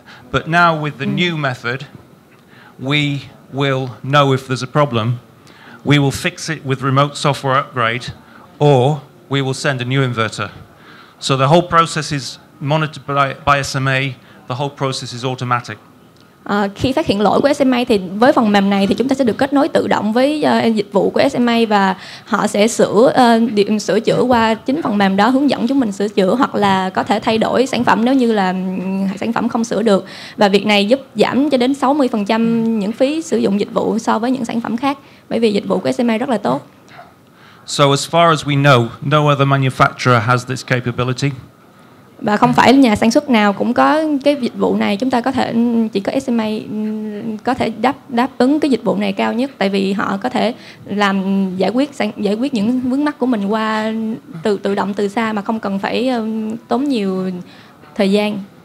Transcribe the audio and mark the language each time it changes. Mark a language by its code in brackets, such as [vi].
[en] But now with the new method, we will know if there's a problem. We will fix it with remote software upgrade or we will send a new inverter. So the whole process is monitored by SMA. The whole process is automatic. [vi] Khi phát hiện lỗi của SMA thì với phần mềm này thì chúng ta sẽ được kết nối tự động với dịch vụ của SMA và họ sẽ sửa chữa qua chính phần mềm đó, hướng dẫn chúng mình sửa chữa hoặc là có thể thay đổi sản phẩm nếu như là sản phẩm không sửa được. Và việc này giúp giảm cho đến 60% những phí sử dụng dịch vụ so với những sản phẩm khác, bởi vì dịch vụ của SMA rất là tốt. [en] So as far as we know, no other manufacturer has this capability. [vi] Và không phải nhà sản xuất nào cũng có cái dịch vụ này, chúng ta có thể chỉ có SMA có thể đáp ứng cái dịch vụ này cao nhất, tại vì họ có thể làm giải quyết những vướng mắc của mình qua tự động từ xa mà không cần phải tốn nhiều thời gian.